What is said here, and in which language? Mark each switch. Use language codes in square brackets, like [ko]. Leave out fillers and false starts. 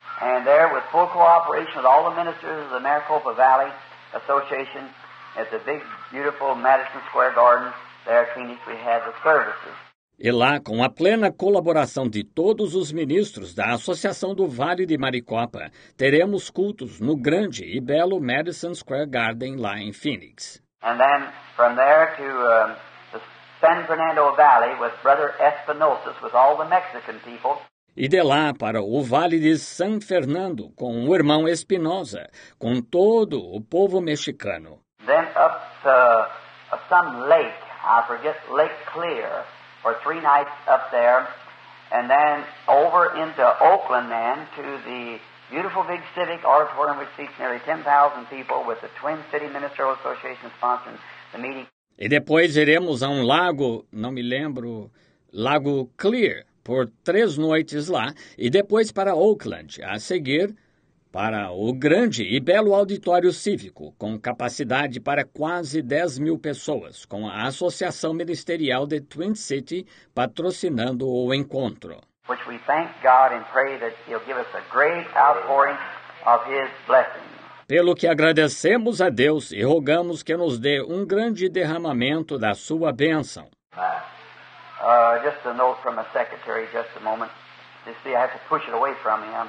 [en] And there, with full cooperation with all the ministers of the Maricopa Valley Association, at the big, beautiful Madison Square Garden, there at Phoenix, we had the services. [pt] E lá, com a plena colaboração de todos os ministros da Associação do Vale de Maricopa, teremos cultos no grande e belo Madison Square Garden, lá em Phoenix. [en] And then, from there to the San Fernando Valley with Brother Espinosa, with all the Mexican people. [pt] E de lá para o Vale de San Fernando, com o irmão Espinosa, com todo o povo mexicano. [en] Then up to some lake, I forget, Lake Clear. For 3 nights up there, and then over into Oakland, then to the beautiful big civic auditorium, which seats nearly 10,000 people, with the Twin City Ministerial Association sponsoring the meeting. [pt] E depois iremos a um lago, não me lembro, Lago Clear, por 3 noites lá, e depois para Oakland, a seguir para o grande e belo auditório cívico, com capacidade para quase 10 mil pessoas, com a Associação Ministerial de Twin City patrocinando o encontro. [en] Which we thank God and pray that He'll give us a great outpouring of His blessings. [pt] Pelo que agradecemos a Deus e rogamos que nos dê um grande derramamento da sua bênção. [en] Just a note from a secretary, just a moment. You see, I have to push it away from me.